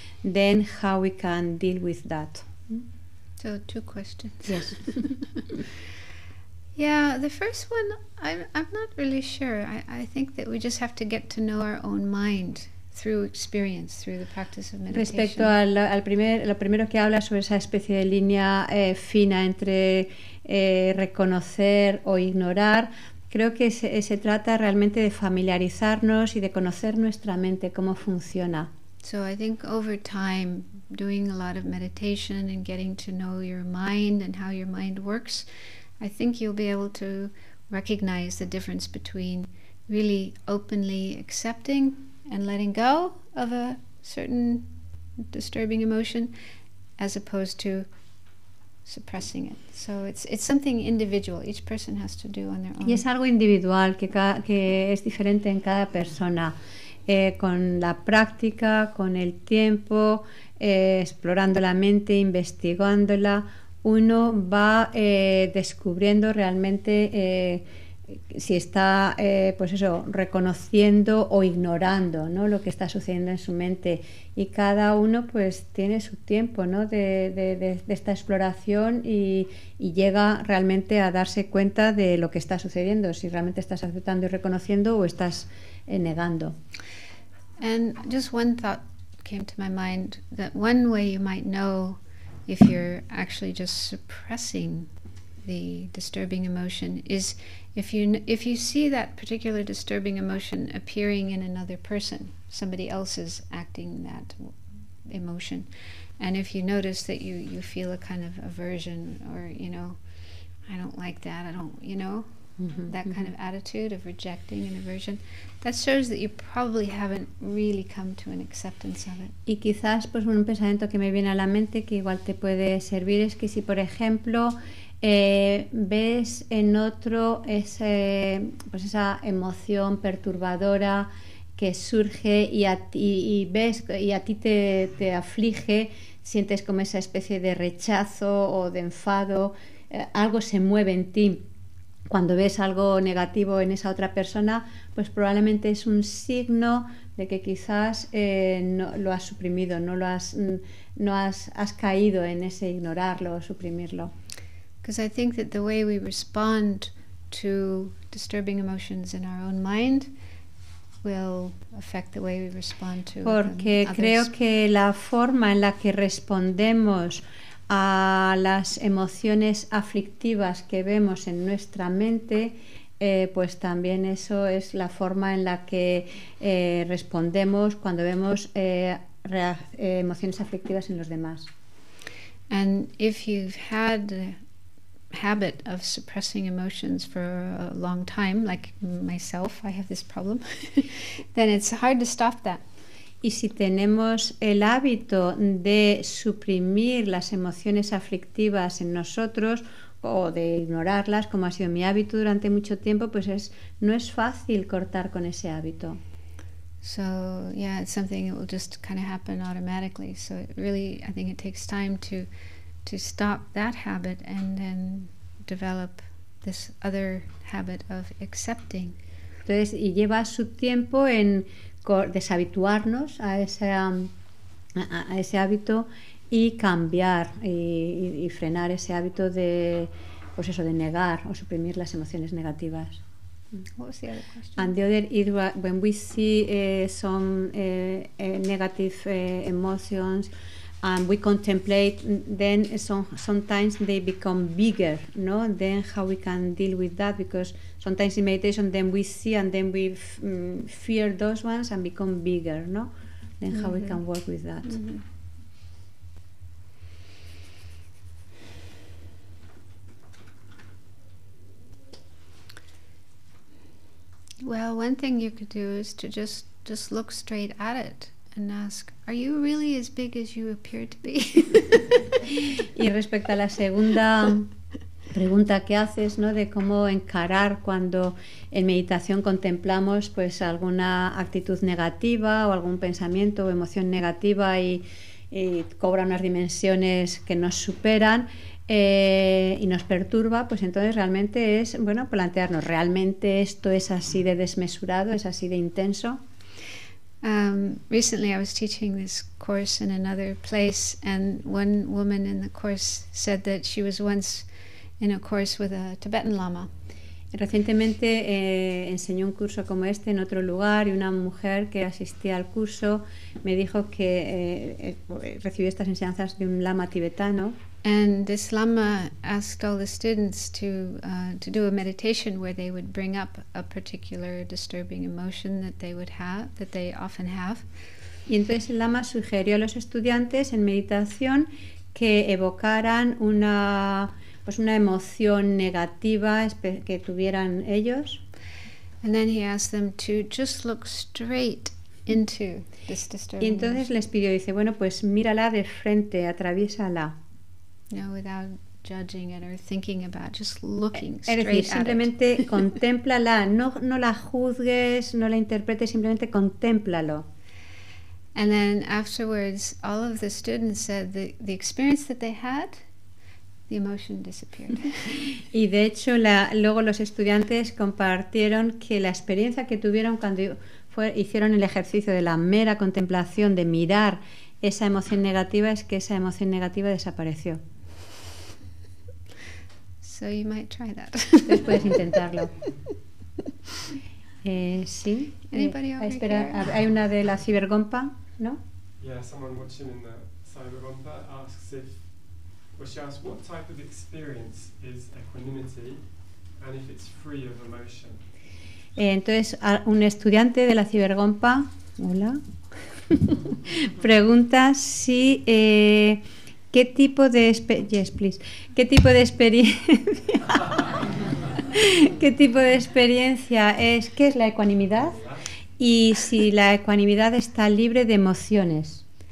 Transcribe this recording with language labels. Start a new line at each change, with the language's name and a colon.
English: Then how we can deal with that? So two questions. Yes. Yeah, the first one, I'm not really sure. I think that we just have to get to know our own mind through experience, through the practice of meditation.
Spanish: Respecto al primero que habla sobre esa especie de línea fina entre reconocer o ignorar, creo que se trata realmente de familiarizarnos y de conocer nuestra mente, cómo funciona.
English: So I think over time, doing a lot of meditation and getting to know your mind and how your mind works, I think you'll be able to recognize the difference between really openly accepting and letting go of a certain disturbing emotion as opposed to suppressing it. So it's something individual. Each person has to do on their own.
Spanish: Y es algo individual que es diferente en cada persona. con la práctica, con el tiempo, explorando la mente, investigándola, uno va descubriendo realmente si está pues eso, reconociendo o ignorando, ¿no?, lo que está sucediendo en su mente. Y cada uno pues tiene su tiempo, ¿no?, de esta exploración, y llega realmente a darse cuenta de lo que está sucediendo, si realmente estás aceptando y reconociendo o estás negando.
English: And just one thought came to my mind, that one way you might know if you're actually just suppressing the disturbing emotion is if you see that particular disturbing emotion appearing in another person, somebody else is acting that emotion, and if you notice that you feel a kind of aversion, or you know, I don't like that, I don't, you know, mm-hmm, that kind mm-hmm. of attitude of rejecting and aversion, that shows that you probably haven't really come to an acceptance of it.
Spanish: Y quizás pues un pensamiento que me viene a la mente que igual te puede servir es que si por ejemplo ves en otro ese, pues esa emoción perturbadora que surge y a ti te aflige, sientes como esa especie de rechazo o de enfado, algo se mueve en ti cuando ves algo negativo en esa otra persona, pues probablemente es un signo de que quizás no lo has suprimido, no has caído en ese ignorarlo o suprimirlo.
English: Because I think that the way we respond to disturbing emotions in our own mind will affect the way we respond to
Spanish: Porque
English: others.
Spanish: Creo que la forma en la que respondemos a las emociones aflictivas que vemos en nuestra mente, pues también eso es la forma en la que respondemos cuando vemos emociones aflictivas en los demás.
English: And if you've had habit of suppressing emotions for a long time, like myself, I have this problem, then it's hard to stop that.
Spanish: Y si tenemos el hábito de suprimir las emociones aflictivas en nosotros o de ignorarlas, como ha sido mi hábito durante mucho tiempo, pues no es fácil cortar con ese hábito.
English: So yeah, it's something that will just kind of happen automatically. So it really, I think it takes time to stop that habit and then develop this other habit of accepting.
Spanish: Entonces, y lleva su tiempo en deshabituarnos a ese hábito y cambiar y frenar ese hábito de, pues eso, de negar o suprimir las emociones negativas.
English: What was the other question? And the other is when we see some negative emotions, and we contemplate, then sometimes they become bigger, no? Then how we can deal with that? Because sometimes in meditation, then we see and then we fear those ones and become bigger, no? Then how mm-hmm. we can work with that? Mm-hmm. Well, one thing you could do is to just look straight at it and ask, are you really as big as you appear to be?
Spanish: Y respecto a la segunda pregunta que haces, ¿no?, de cómo encarar cuando en meditación contemplamos pues alguna actitud negativa o algún pensamiento o emoción negativa y cobra unas dimensiones que nos superan y nos perturba, pues entonces realmente es, bueno, plantearnos, ¿realmente esto es así de desmesurado, es así de intenso?
English: Recently I was teaching this course in another place, and one woman in the course said that she was once in a course with a Tibetan Lama.
Spanish: Recientemente enseñó un curso como este en otro lugar, y una mujer que asistía al curso me dijo que recibió estas enseñanzas de un lama tibetano.
English: And this lama asked all the students to do a meditation where they would bring up a particular disturbing emotion that they would have, that they often have.
Spanish: Y entonces el lama sugirió a los estudiantes en meditación que evocaran una emoción negativa que tuvieran ellos.
English: And then he asked them to just look straight into this disturbing.
Spanish: Y entonces les pidió, dice, bueno, pues mírala de frente, atraviésala.
English: No, without judging it or thinking about it, just looking straight at it.
Spanish: Es decir, simplemente contémplala, no la juzgues, no la interpretes, simplemente contémplalo.
English: And then afterwards, all of the students said the experience that they had, the emotion disappeared.
Spanish: Y de hecho, luego los estudiantes compartieron que la experiencia que tuvieron cuando hicieron el ejercicio de la mera contemplación, de mirar esa emoción negativa, es que esa emoción negativa desapareció.
English: So you might try that.
Spanish: Entonces puedes intentarlo. Sí.
English: Anybody over
Spanish: espera,
English: here?
Spanish: Hay una de la cibergompa, ¿no?
English: Yeah, someone watching in the cibergompa asks if, well, she asks what type of experience is equanimity and if it's free of emotion.
Spanish: Entonces, un estudiante de la cibergompa, hola, pregunta si qué tipo de experiencia es, qué es la ecuanimidad y si la ecuanimidad está libre de emociones.